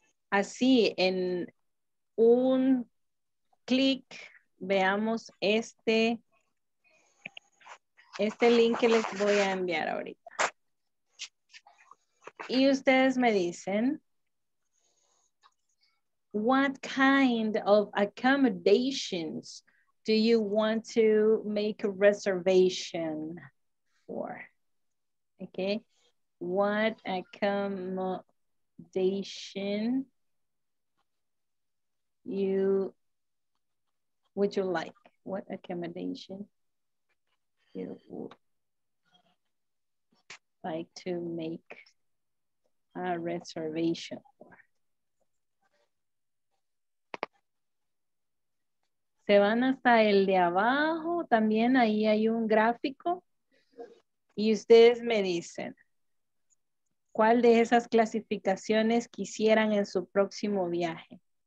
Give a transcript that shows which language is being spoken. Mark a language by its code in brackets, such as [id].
[es] Así, en un clic, veamos este link que les voy a enviar ahorita. Y ustedes me dicen, [en] what kind of accommodations do you want to make a reservation for? Okay, what accommodation would you like? What accommodation you would like to make a reservation for? [es] Se van hasta el de abajo, también ahí hay un gráfico. Y ustedes me dicen, ¿cuál de esas clasificaciones quisieran en su próximo viaje?